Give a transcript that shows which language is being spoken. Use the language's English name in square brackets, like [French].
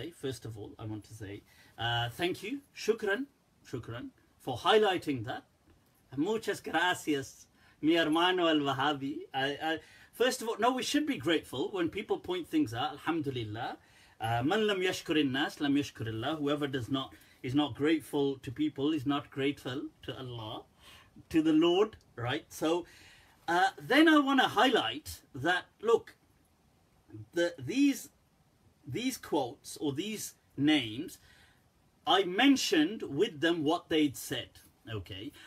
[English] So first of all, I want to say thank you. Shukran for highlighting that. [Spanish] Muchas gracias, mi hermano el Wahhabi. [English] First of all, no, we should be grateful when people point things out. Alhamdulillah. [Arabic] Man lam yashkur innas, lam yashkur Allah. [English] Whoever does not, is not grateful to people, is not grateful to Allah, to the Lord, right? So then I want to highlight that, look, these quotes or these names, I mentioned with them what they'd said, okay?